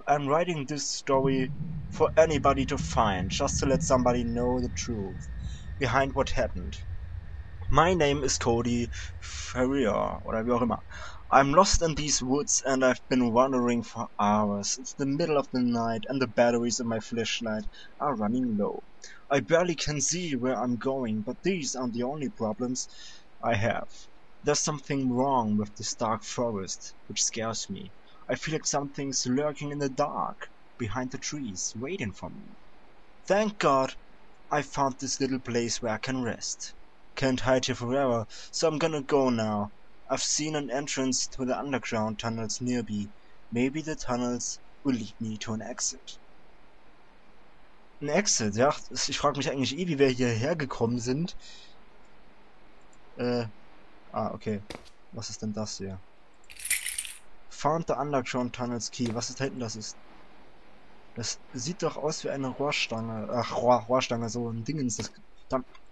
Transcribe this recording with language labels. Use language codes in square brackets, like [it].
[en] I'm writing this story for anybody to find, just to let somebody know the truth behind what happened. My name is Cody Ferrier, [de] oder wie auch immer. [en] I'm lost in these woods and I've been wandering for hours. It's the middle of the night and the batteries in my flashlight are running low. I barely can see where I'm going, but these aren't the only problems I have. There's something wrong with this dark forest, which scares me. I feel like something's lurking in the dark, behind the trees, waiting for me. Thank God I found this little place where I can rest. Can't hide here forever, so I'm gonna go now. I've seen an entrance to the underground tunnels nearby. Maybe the tunnels will lead me to an exit. [de] Ein Exit, ja. Ich frage mich eigentlich eh, wie wir hierher gekommen sind. Okay. Was ist denn das hier? [en] Found the underground tunnels key. [de] Was ist da hinten? Das ist. Das sieht doch aus wie eine Rohrstange. Ach, Rohrstange, so ein Dingens. Das. Dann.